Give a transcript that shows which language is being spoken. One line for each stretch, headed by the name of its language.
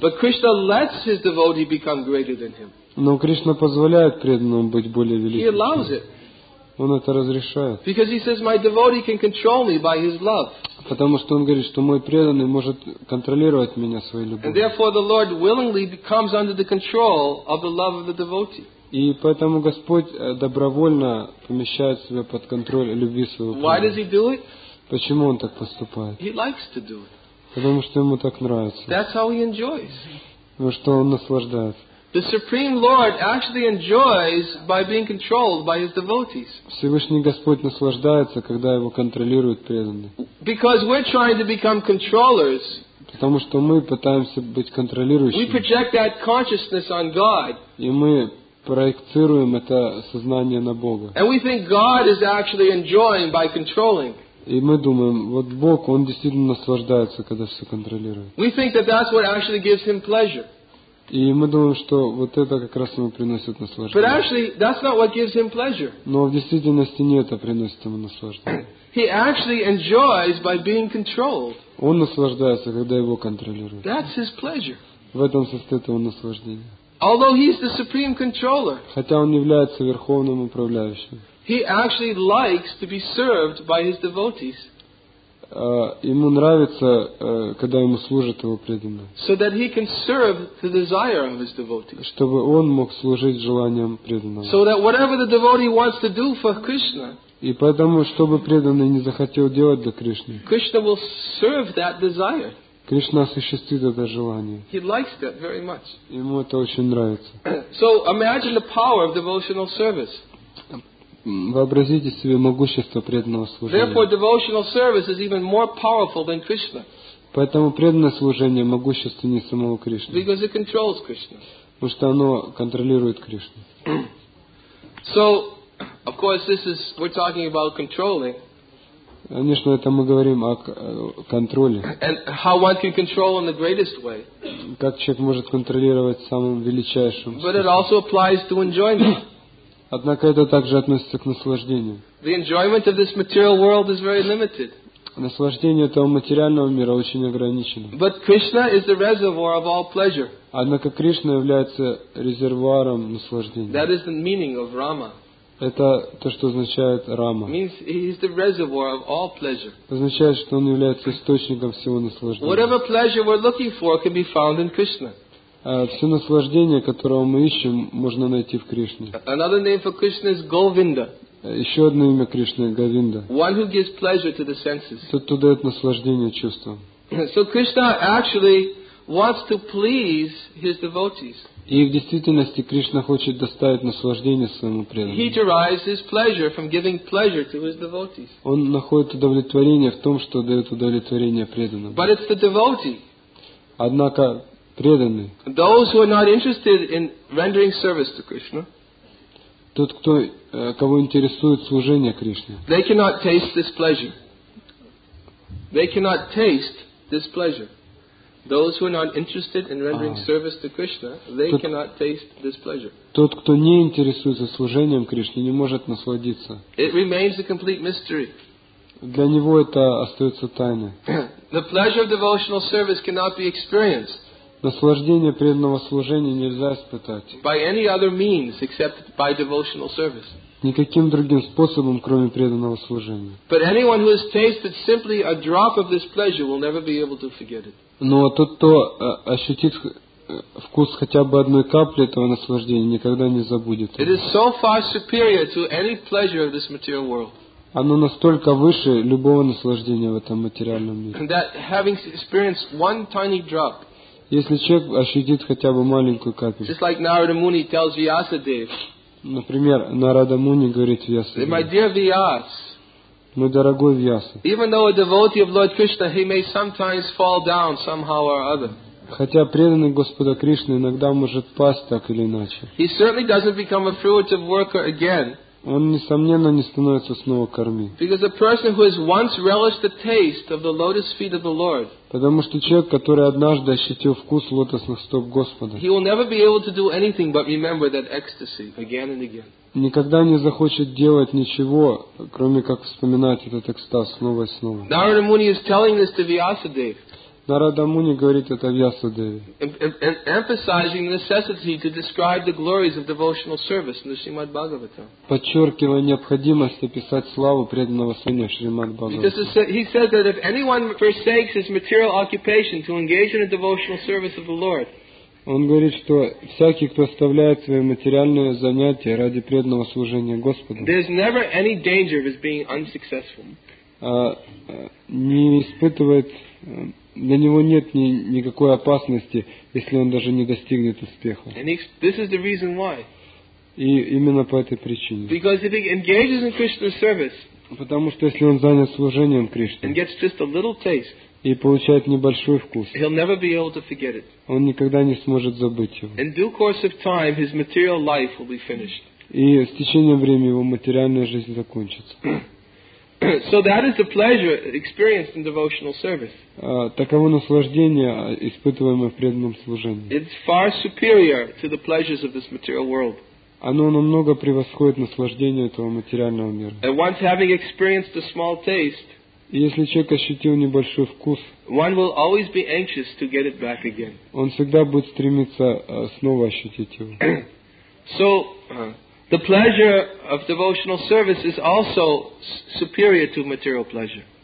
English: But Krishna lets his devotee become greater than him.
Russian: Но Кришна позволяет преданному быть более великим.
English: He allows it.
Russian: Он это разрешает.
English: Because he says my devotee can control me by his love.
Russian: Потому что он говорит, что мой преданный может контролировать меня своей любовью.
English: And therefore the Lord willingly comes under the control of the love of the devotee.
Russian: И поэтому Господь добровольно помещает себя под контроль любви своего преданного.
English: Why does he do it?
Russian: Почему он так поступает?
English: He likes to do it.
Russian: Потому что ему так нравится.
English: That's how he enjoys.
Russian: Потому что он наслаждается.
English: The Supreme Lord actually enjoys by being controlled by his devotees.
Russian: Всевышний Господь наслаждается, когда его контролируют преданные.
English: Because we're trying to become controllers.
Russian: Потому что мы пытаемся быть контролирующими.
English: We project that consciousness on God.
Russian: И мы проецируем это сознание на Бога.
English: And we think God is actually enjoying by controlling.
Russian: И мы думаем, вот Бог, он действительно наслаждается, когда все контролирует.
English: We think that that's what actually gives him pleasure.
Russian: И мы думаем, что вот это как раз ему приносит наслаждение.
English: But actually, that's not what gives him pleasure.
Russian: Но в действительности не это приносит ему наслаждение.
English: He actually enjoys by being controlled.
Russian: Он наслаждается, когда его контролируют.
English: That's his pleasure.
Russian: В этом состоит его наслаждение.
English: Although he's the supreme controller.
Russian: Хотя он является верховным управляющим.
English: He actually likes to be served by his devotees.
Russian: ему нравится, когда ему служат его преданные.
English: So that he can serve the desire of his devotee.
Russian: Чтобы он мог служить желаниям преданного.
English: So that whatever the devotee wants to do for Krishna.
Russian: И поэтому, что бы преданный не захотел делать для Кришны.
English: Krishna will serve that desire.
Russian: Кришна осуществит это желание.
English: He likes that very much.
Russian: Ему это очень нравится.
English: So imagine the power of devotional service.
Russian: Вообразите себе могущество преданного служения.
English: Therefore, devotional service is even more powerful than Krishna.
Russian: Поэтому преданное служение могущественнее самого Кришны.
English: Because it controls Krishna.
Russian: Потому что оно контролирует Кришну.
English: So, of course, this is we're talking about controlling.
Russian: Конечно, это мы говорим о контроле.
English: And how one can control in the greatest way.
Russian: Как человек может контролировать самым величайшим.
English: But it also applies to enjoyment.
Russian: Однако это также относится к наслаждению.
English: The enjoyment of this material world is very limited.
Russian: Наслаждение этого материального мира очень ограничено.
English: But Krishna is the reservoir of all pleasure.
Russian: Однако Кришна является резервуаром наслаждения.
English: That is the meaning of Rama.
Russian: Это то, что означает Рама.
English: Means he is the reservoir of all pleasure.
Russian: Означает, что он является источником всего наслаждения.
English: Whatever pleasure we're looking for can be found in Krishna.
Russian: Все наслаждение, которого мы ищем, можно найти в Кришне.
English: Another name for Krishna is Govinda.
Russian: Еще одно имя Кришны – Говинда.
English: One who gives pleasure to the senses.
Russian: Тот, кто дает наслаждение чувствам.
English: So Krishna actually wants to please his devotees.
Russian: И в действительности Кришна хочет доставить наслаждение своему преданному.
English: He derives his pleasure from giving pleasure to his devotees.
Russian: Он находит удовлетворение в том, что дает удовлетворение преданному.
English: But it's the devotee.
Russian: Однако преданный.
English: Those who are not interested in rendering service to Krishna.
Russian: Тот, кто, кого интересует служение Кришне.
English: They cannot taste this pleasure. They cannot taste this pleasure. Those who are not interested in rendering service to Krishna, they cannot taste this pleasure.
Russian: Тот, кто не интересуется служением Кришне, не может насладиться.
English: It remains a complete mystery.
Russian: Для него это остается тайной.
English: The pleasure of devotional service cannot be experienced.
Russian: Наслаждение преданного служения нельзя испытать.
English: By any other means except by devotional service.
Russian: Никаким другим способом, кроме преданного служения.
English: But anyone who has tasted simply a drop of this pleasure will never be able to forget it.
Russian: Но тот, кто ощутит вкус хотя бы одной капли этого наслаждения, никогда не забудет.
English: It is so far superior to any pleasure of this material world.
Russian: Оно настолько выше любого наслаждения в этом материальном мире.
English: That having experienced one tiny drop.
Russian: Если человек ощутит хотя бы маленькую капельку.
English: Just like Narada Muni tells Vyasadev.
Russian: Например, Нарада Муни говорит Вьясадеву.
English: My dear Vyas.
Russian: Мой дорогой Вьяса.
English: Even though a devotee of Lord Krishna, he may sometimes fall down somehow or other.
Russian: Хотя преданный Господа Кришны иногда может пасть так или иначе.
English: He certainly doesn't become a fruitive worker again.
Russian: Он несомненно не становится снова корми.
English: Because a person who has once relished the taste of the lotus feet of the Lord.
Russian: Потому что человек, который однажды ощутил вкус лотосных стоп Господа.
English: He will never be able to do anything but remember that ecstasy again and again.
Russian: Никогда не захочет делать ничего, кроме как вспоминать этот экстаз снова и снова.
English: Narada Muni is telling this to Vyasadeva.
Russian: Narada Muni говорит это Вьясадеве.
English: Emphasizing the necessity to describe the glories of devotional service in the Srimad Bhagavatam.
Russian: Подчеркивая необходимость описать славу преданного служения Шримад Бхагаватам.
English: Because he says that if anyone forsakes his material occupation to engage in a devotional service of the Lord.
Russian: Он говорит, что всякий, кто оставляет свои материальные занятия ради преданного служения Господу,
English: there's never any danger of his being unsuccessful.
Russian: Не испытывает, для него нет никакой опасности, если он даже не достигнет успеха.
English: And this is the reason why.
Russian: И именно по этой причине.
English: Because if he engages in Krishna's service,
Russian: потому что если он занят служением Кришне,
English: and gets just a little taste,
Russian: и получает небольшой вкус.
English: He'll never be able to forget it.
Russian: Он никогда не сможет забыть его.
English: In due course of time, his material life will be finished.
Russian: И с течением времени его материальная жизнь закончится.
English: So that is the pleasure experienced in devotional service.
Russian: Таково наслаждение, испытываемое в преданном служении.
English: It's far superior to the pleasures of this material world.
Russian: Оно намного превосходит наслаждение этого материального мира.
English: And once having experienced a small taste,
Russian: если человек ощутил небольшой вкус,
English: one will always be anxious to get it back again.
Russian: Он всегда будет стремиться снова ощутить его.
English: So, the pleasure of devotional service is also superior to material pleasure.